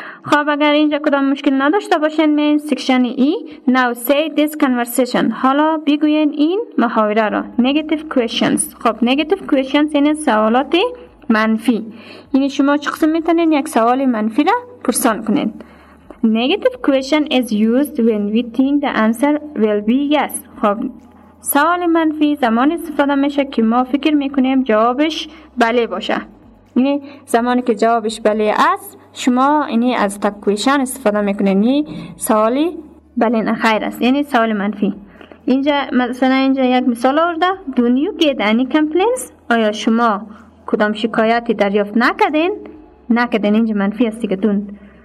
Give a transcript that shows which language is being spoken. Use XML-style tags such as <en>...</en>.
<fa>خب اگر اینجا کدام مشکل نداشته باشین من سیکشن ای.</fa> <en>Now say this conversation.</en> <fa>حالا بگوین این محاوره را.</fa> <en>Negative questions.</en> <fa>خب negative questions این سوالات منفی. یعنی شما چه قسم میتونین یک سوال منفی را پرسان کنین.</fa> <en>Negative question is used when we think the answer will be yes.</en> <fa>خب سوال منفی زمان استفاده میشه که ما فکر میکنیم جوابش بله باشه. یعنی زمانی که جوابش بله است شما اینی از تک کویشن استفاده میکنین. یعنی سوالی بله نه خیر است. یعنی سوال منفی. اینجا مثلا اینجا یک مثال آورده.</fa> <en>Do you get any complaints؟</en> <fa>آیا شما کدام شکایتی دریافت نکدین؟ نکدین اینجا منفی است دیگه. دون.</fa>